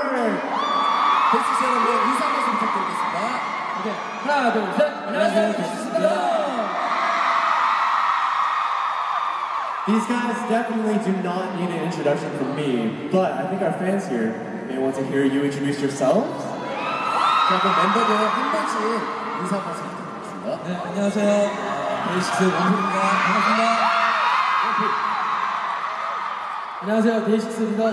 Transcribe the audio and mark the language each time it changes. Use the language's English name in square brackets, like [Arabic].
[Korean] 패스트셀러들 인사 말씀 부탁드리겠습니다. 오케이. 하나, 둘, 셋! 안녕하세요, 패스트셀러! [English] These guys definitely do not need an introduction from me, but I think our fans here may want to hear you introduce yourselves. [Korean] 자, 그럼 멤버들 한 번씩 인사 말씀 부탁드리겠습니다. 네, 안녕하세요. 패스트셀러 원필입니다. 반갑습니다. 안녕하세요, 데이식스입니다.